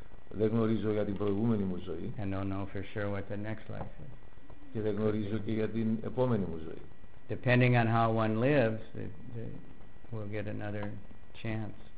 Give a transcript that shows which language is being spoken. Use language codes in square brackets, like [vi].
[el] Δεν γνωρίζω για την προηγούμενη μου ζωή. [en] And don't know for sure what the next life is. [el] Και δεν γνωρίζω και για την επόμενη μου ζωή. [en] Depending on how one lives, they will get another chance.